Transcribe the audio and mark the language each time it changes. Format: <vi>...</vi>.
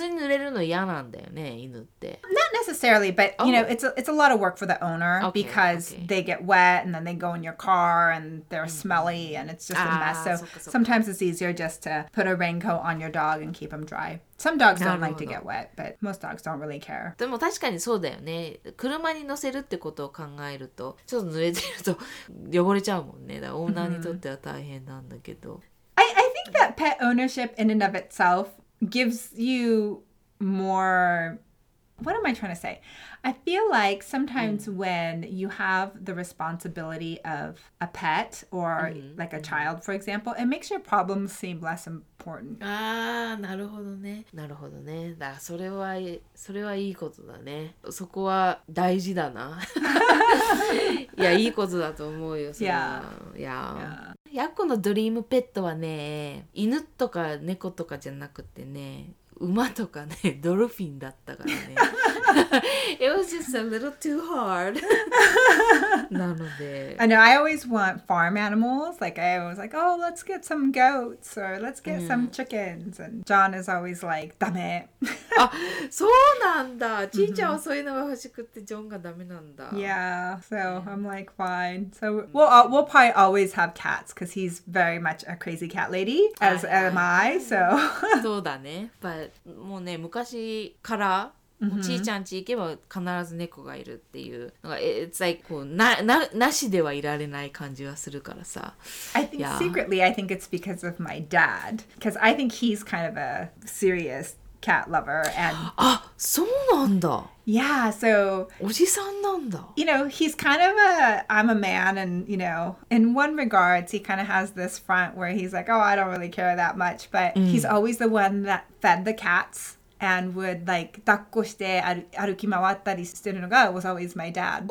<en>Not necessarily, but you know, it's a lot of work for the owner because they get wet and then they go in your car and they're smelly and it's just a mess. So sometimes it's easier just to put a raincoat on your dog and keep him dry. Some dogs don't like to get wet, but most dogs don't really care.</en> <ja>でも確かにそうだよね。車に乗せるってことを考えると、ちょっと濡れてると汚れちゃうもんね。だからオーナーにとっては大変なんだけど。</ja> <en>I think that pet ownership in and of itself gives you more... What am I trying to say? I feel like sometimes when you have the responsibility of a pet or like a child, for example, it makes your problems seem less important.</en> <ja>なるほどね。なるほどね。だ、それはいいことだね。そこは大事だな。いや、いいことだと思うよ。それは。</ja> <en>Yeah. Yeah. Yeah.</en> <ja>ヤッコのドリームペットはね、犬とか猫とかじゃなくてね、馬とかね、ドルフィンだったからね。</ja> <en>It was just a little too hard. なので。 I know, I always want farm animals. Like, I was like, oh, let's get some goats or let's get some chickens. And John is always like, ダメ。</en> <ja>あ、そうなんだ。ちいちゃんはそういうのが欲しくって、ジョンがダメなんだ。</ja> <en>Yeah, so I'm like, fine. So we'll probably always have cats because he's very much a crazy cat lady, as am I, so.</en> <ja>そうだね。 But もうね、昔から、もうちいちゃん家行けば必ず猫がいるっていうのが、</ja> <en>It's like,</en> <ja>こう、なしではいられない感じはするからさ。</ja> <en>I think, yeah. secretly, I think it's because of my dad. Because I think he's kind of a serious... cat lover and</en> <ja>そうなんだ</ja> <en>yeah so</en> <ja>おじさんなんだ</ja> <en>you know he's kind of a I'm a man and you know in one regards he kind of has this front where he's like oh I don't really care that much but he's always the one that fed the cats and would like</en> <ja>抱っこして歩き回ったりしてるのが</ja> <en>was always my dad</en>